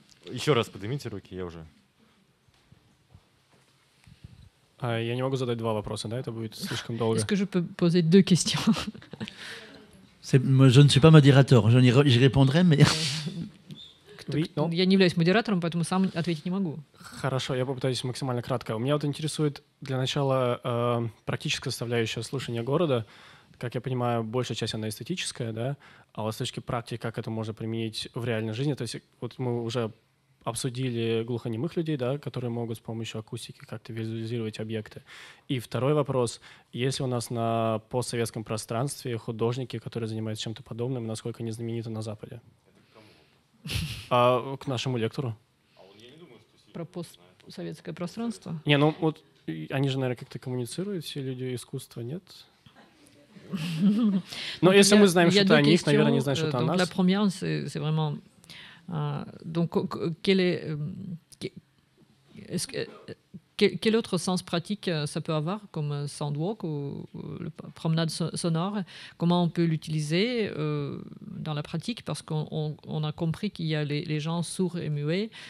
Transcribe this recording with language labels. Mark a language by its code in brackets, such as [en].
[ru] Еще раз поднимите руки, я уже... Я не могу задать два вопроса, да? Это будет слишком долго. [fr] Est-ce que je peux poser deux questions? Je ne suis pas modérateur. Je répondrai, mais... [ru] Я не являюсь модератором, поэтому сам ответить не могу. Хорошо, я попытаюсь максимально кратко. Меня вот интересует для начала практическая составляющая слушания города. Как я понимаю, большая часть она эстетическая, да? А вот с точки практики, как это можно применить в реальной жизни? То есть вот мы уже... обсудили глухонемых людей, да, которые могут с помощью акустики как-то визуализировать объекты. И второй вопрос. Есть ли у нас на постсоветском пространстве художники, которые занимаются чем-то подобным, насколько они знамениты на Западе? А к нашему лектору. Про постсоветское пространство? Не, ну вот они же, наверное, как-то коммуницируют, все люди искусства, нет? Но если мы знаем что-то о них, наверное, они знают что-то о нас. [fr] La première, c'est vraiment... donc, quel autre sens pratique ça peut avoir, comme soundwalk ou le promenade sonore? Comment on peut l'utiliser dans la pratique? Parce qu'on a compris qu'il y a les gens sourds et muets.